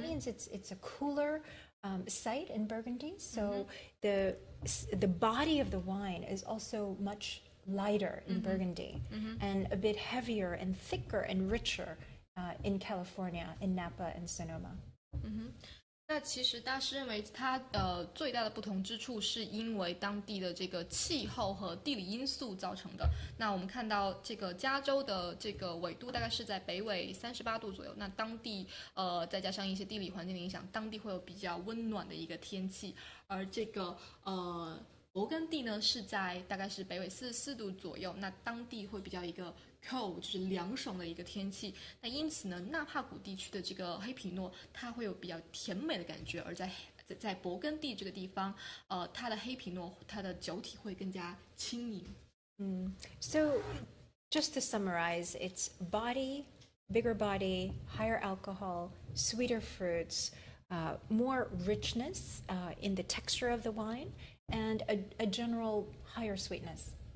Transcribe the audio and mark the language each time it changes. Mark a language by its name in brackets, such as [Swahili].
[English] that means it's a cooler site in Burgundy. So mm-hmm. The body of the wine is also much lighter in mm-hmm. Burgundy mm-hmm. and a bit heavier and thicker and richer in California, in Napa and Sonoma. Mm-hmm. [Chinese] 那其实大师认为它最大的不同之处是因为当地的这个气候和地理因素造成的。那我们看到这个加州的这个纬度大概是在北纬38度左右，那当地再加上一些地理环境的影响，当地会有比较温暖的一个天气。而这个勃艮第呢是在大概是北纬44度左右，那当地会比较一个 cold 就是凉爽的一个天气。那因此呢，纳帕谷地区的这个黑皮诺它会有比较甜美的感觉，而在勃艮第这个地方它的黑皮诺它的酒体会更加轻盈。 [English] So just to summarize, it's body, bigger body, higher alcohol, sweeter fruits, more richness in the texture of the wine, and a general higher sweetness.